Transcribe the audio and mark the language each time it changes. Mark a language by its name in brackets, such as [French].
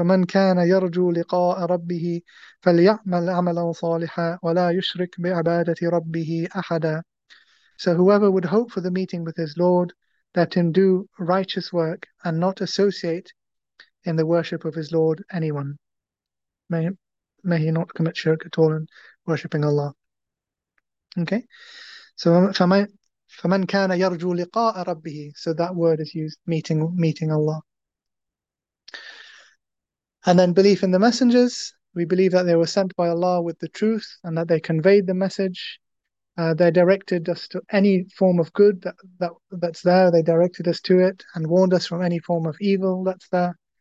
[Arabic] فَمَنْ كَانَ يَرْجُو لِقَاءَ رَبِّهِ فَلْيَعْمَلْ عَمَلًا صَالِحًا وَلَا يُشْرِكْ بِعَبَادَةِ رَبِّهِ أَحَدًا. [English] So whoever would hope for the meeting with his Lord, let him do righteous work and not associate in the worship of his Lord anyone. May he not commit shirk at all in worshipping Allah. Okay? [Arabic] So فَمَنْ كَانَ يَرْجُو لِقَاءَ رَبِّهِ. [English] So that word is used, meeting Allah. And then belief in the messengers. We believe that they were sent by Allah with the truth and that they conveyed the message. They directed us to any form of good that's there. They directed us to it and warned us from any form of evil that's there.